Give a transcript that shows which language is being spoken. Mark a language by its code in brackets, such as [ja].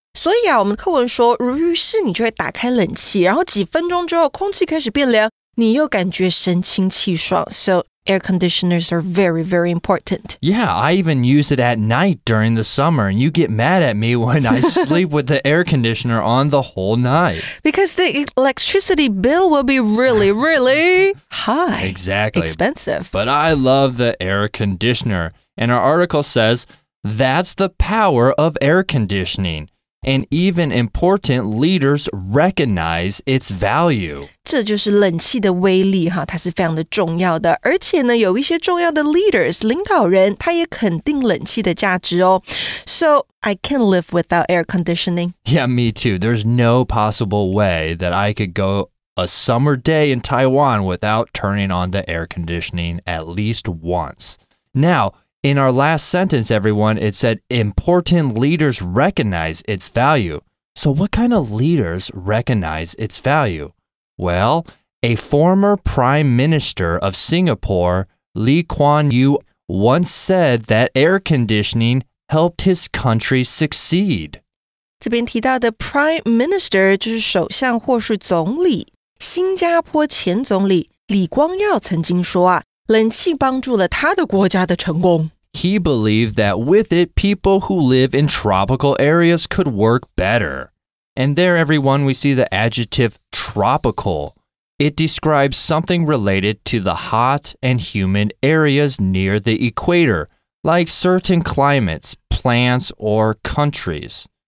[zh] 所以啊，我们课文说，如遇事你就会打开冷气，然后几分钟之后空气开始变凉，你又感觉神清气爽。 [en] So air conditioners are very, very important. Yeah, I even use it at night during the summer, and you get mad at me when I sleep with the air conditioner on the whole night. Because the electricity bill will be really, really high. Exactly. Expensive. But I love the air conditioner. And our article says, that's the power of air conditioning. And even important leaders recognize its value. [zh] 这就是冷气的威力哈，它是非常的重要的。而且呢，有一些重要的 leaders, 领导人，他也肯定冷气的价值哦。 [en] So, I can't live without air conditioning. Yeah, me too. There's no possible way that I could go a summer day in Taiwan without turning on the air conditioning at least once. Now,In our last sentence, everyone, it said important leaders recognize its value. So what kind of leaders recognize its value? Well, a former prime minister of Singapore, Lee Kuan Yew, once said that air conditioning helped his country succeed. [zh] 这边提到的 prime minister 就是首相或是总理。新加坡前总理李光耀曾经说啊，冷气帮助了他的国家的成功。 [en] He believed that with it, people who live in tropical areas could work better. And there, everyone, we see the adjective tropical. It describes something related to the hot and humid areas near the equator, like certain climates, plants, or countries.